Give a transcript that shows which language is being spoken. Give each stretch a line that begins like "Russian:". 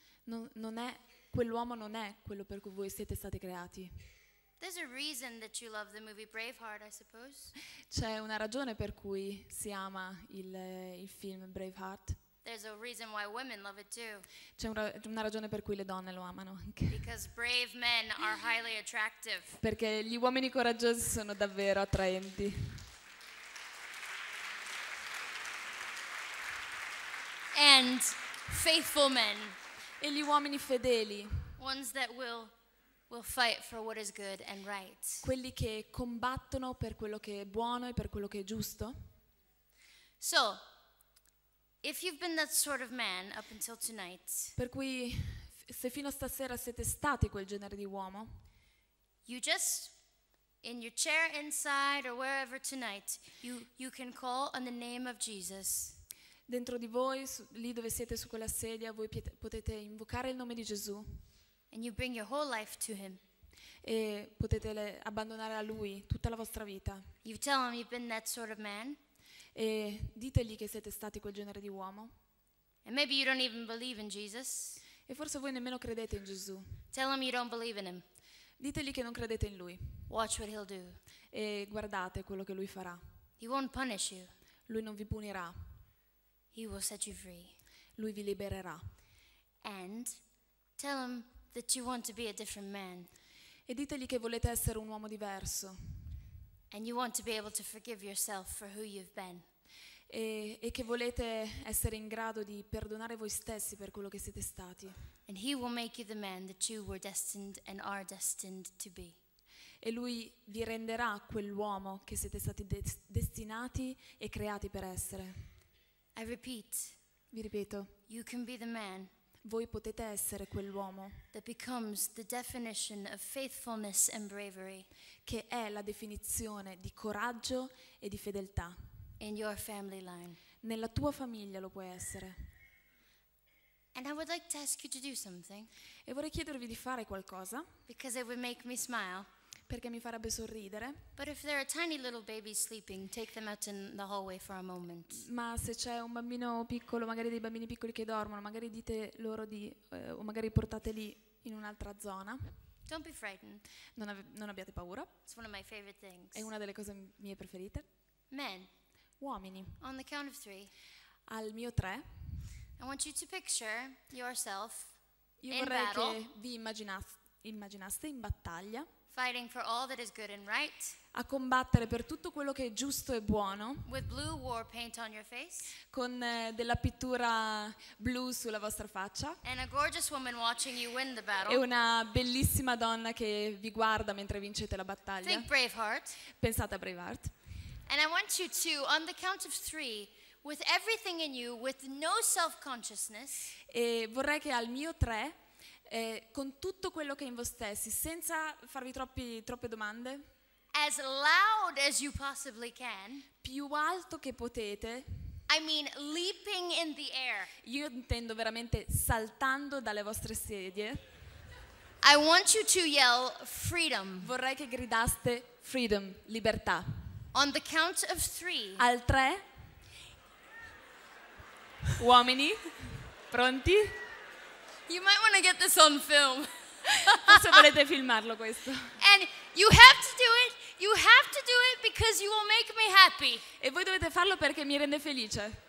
Italian: Non è quell'uomo, non è quello per cui voi siete stati creati.
English: There's a reason that you love the movie Braveheart, I suppose.
Italian: C'è una ragione per cui si ama il film Braveheart.
English: There's a reason why women love it too.
Italian: C'è una ragione per cui le donne lo amano anche.
English: Because brave men are highly attractive.
Italian: Perché gli uomini coraggiosi sono davvero attraenti.
English: And faithful men.
Italian: E gli uomini fedeli.
English: Ones that will fight for what is good and right.
Italian: Quelli che combattono per quello che è buono e per quello che è giusto.
English: So, if you've been that sort of man up until tonight.
Italian: Per cui se fino a stasera siete stati quel genere di uomo.
English: You just in your chair inside or wherever tonight, you can call on the name of Jesus.
Italian: Dentro di voi, lì dove siete su quella sedia, voi potete invocare il nome di Gesù.
English: And you bring your whole life to him.
Italian: E potete abbandonare a lui tutta la vostra vita.
English: You tell him you've been that sort of man.
Italian: E ditegli che siete stati quel genere di uomo.
English: And maybe you don't even believe in Jesus.
Italian: E forse voi nemmeno credete in Gesù.
English: Tell him you don't believe in him.
Italian: Ditegli che non credete in lui.
English: Watch what he'll do.
Italian: E guardate quello che lui farà.
English: He won't punish you.
Italian: Lui non vi punirà.
English: He will set you free.
Italian: Lui vi libererà.
English: And tell him that you want to be a different man.
Italian: E ditegli che volete essere un uomo diverso.
English: And you want to be able to forgive yourself for who you've been.
Italian: E che volete essere in grado di perdonare voi stessi per quello che siete stati.
English: And he will make you the man that you were destined and are destined to be.
Italian: E lui vi renderà quell'uomo che siete stati destinati e creati per essere.
English: I repeat.
Italian: Vi ripeto.
English: You can be the man.
Italian: Voi potete essere quell'uomo.
English: That becomes the definition of faithfulness and bravery.
Italian: Che è la definizione di coraggio e di fedeltà.
English: In your family line.
Italian: Nella tua famiglia lo puoi essere.
English: And I would like to ask you to do something.
Italian: E vorrei chiedervi di fare qualcosa.
English: Because it would make me smile.
Italian: Perché mi farebbe sorridere.
English: But if there are tiny little babies sleeping, take them out in the hallway for a moment.
Italian: Ma se c'è un bambino piccolo, magari dei bambini piccoli che dormono, magari dite loro di o magari portateli in un'altra zona.
English: Don't be frightened.
Italian: Non abbiate paura.
English: It's one of my favorite things.
Italian: È una delle cose mie preferite.
English: Men.
Italian: Uomini.
English: On the count of three.
Italian: Al mio tre.
English: I want you to picture yourself in battle.
Italian: Io vorrei che vi immaginaste in battaglia.
English: Fighting for all that is good and right.
Italian: A combattere per tutto quello che è giusto e buono.
English: With blue war paint on your face.
Italian: Con della pittura blu sulla vostra faccia.
English: And a gorgeous woman watching you win the battle.
Italian: E una bellissima donna che vi guarda mentre vincete la battaglia.
English: Think Braveheart.
Italian: Pensate a Braveheart.
English: And I want you to, on the count of three, with everything in you, with no self-consciousness.
Italian: E vorrei che al mio tre. Con tutto quello che è in voi stessi, senza farvi troppe domande,
English: as loud as you possibly can,
Italian: più alto che potete,
English: I mean leaping in the air,
Italian: io intendo veramente saltando dalle vostre sedie,
English: I want you to yell freedom,
Italian: vorrei che gridaste freedom, libertà,
English: on the count of three,
Italian: al tre, uomini, pronti?
English: You might want to get this on film.
Italian: Forse volete filmarlo questo.
English: And you have to do it. You have to do it because you will make me happy.
Italian: E voi dovete farlo perché mi rende felice.